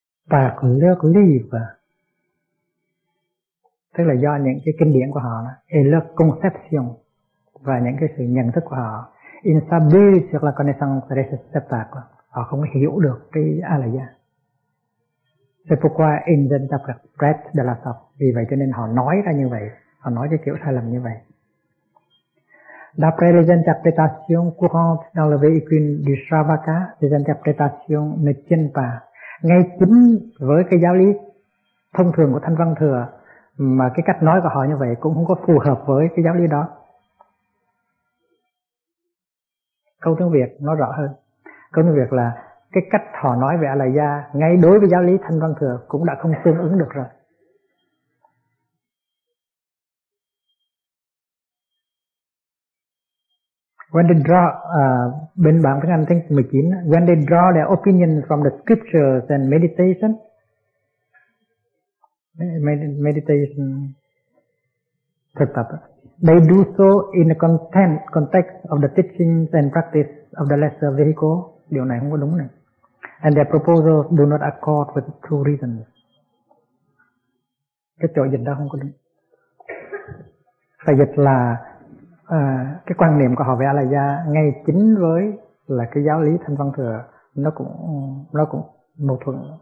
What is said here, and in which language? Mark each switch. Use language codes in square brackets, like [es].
[fr] Par le livre, [vi] tức là do những cái kinh điển của họ, [fr] et le conception, [vi] và những cái sự nhận thức của họ. [fr] In sabbis la connaissance réceptacle, [vi] họ không hiểu được cái A-la-gia. [fr] C'est pourquoi ils interprètent de la sorte, [vi] vì vậy cho nên họ nói ra như vậy, họ nói cái kiểu sai lầm như vậy. [fr] D'après les interprétations courantes dans le véhicule du Shravaka, les interprétations ne tiennent pas. [vi] Ngay chính với cái giáo lý thông thường của Thanh Văn Thừa mà cái cách nói của họ như vậy cũng không có phù hợp với cái giáo lý đó. Câu tiếng Việt nói rõ hơn. Câu tiếng Việt là cái cách họ nói về A-la-gia ngay đối với giáo lý Thanh Văn Thừa cũng đã không tương ứng được rồi. [en] When they draw, [vi] bên bản tiếng Anh tiếng 19, [en] when they draw their opinion from the scriptures and meditation, meditation, [vi] thực tập, [en] they do so in the context of the teachings and practice of the lesser vehicle. [vi] Điều này không có đúng này. [en] And their proposals do not accord with true reason. [vi] Cái chỗ dịch đó không có đúng. Phải dịch là cái quan niệm của họ về Alaya ngay chính với là cái giáo lý Thanh Văn Thừa nó cũng mâu thuẫn.